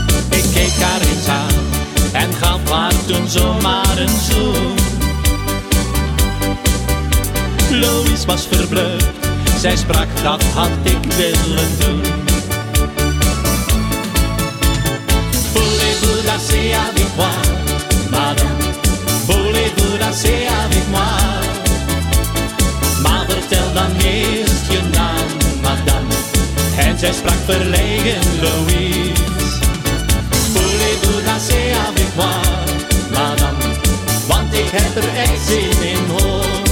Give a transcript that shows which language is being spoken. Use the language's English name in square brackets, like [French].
[Dutch] Ik keek haar eens aan, en gaf haar toen zomaar een zoen. Louise was verbleukt. Zij sprak, dat had ik willen doen. [French] Voulez-vous danser avec moi, madame? Voulez-vous danser avec moi? [Dutch] Maar vertel dan eerst je naam, madame. En zij sprak verlegen, Louise. [French] Voulez-vous danser avec moi, madame? [Dutch] Want ik heb er echt zin in, hoor.